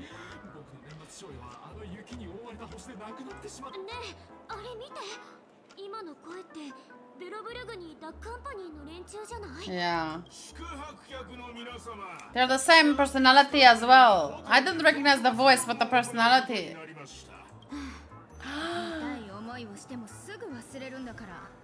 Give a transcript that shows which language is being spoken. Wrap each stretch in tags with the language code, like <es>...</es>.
<ja>ブラボー作戦チーム指定の地に到着。 武力避難？お前に何が分かる。この方が効率的なんだ。早期に見つかりさえしなければいい。そんな勘弁してください。僕の年末賞はあの雪に覆われた星でなくなってしまった。ねえ、あれ見て。今の声ってベロブルグにいたカンパニーの連中じゃない？</ja> <en>Yeah.</en> <ja>宿泊客の皆様。</ja> <en>They're the same personality as well. I didn't recognize the voice, but the personality.</en> <ja>痛い思いをしてもすぐ忘れるんだから。</ja>